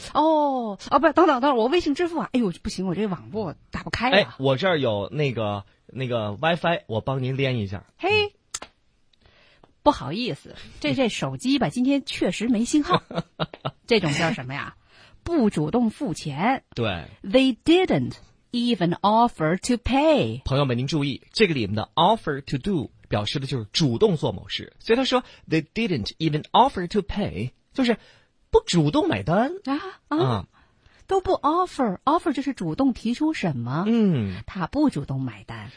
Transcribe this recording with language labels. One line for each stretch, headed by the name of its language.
Chinese: 哦不，等等我微信支付啊，哎呦不行，我这网络打不开啊、哎、我这儿有那个 WiFi, 我帮您连一下，嘿、嗯，不好意思，这手机吧，今天确实没信号。这种叫什么呀？不主动付钱。对
English: ，They didn't even offer to pay。
Chinese: 朋友们，您注意，这个里面的 offer to do 表示的就是主动做某事，所以他说
English: They didn't even offer to pay,
Chinese: 就是不主动买单啊啊、嗯，都不 offer 就是主动提出什么，嗯，他不主动买单，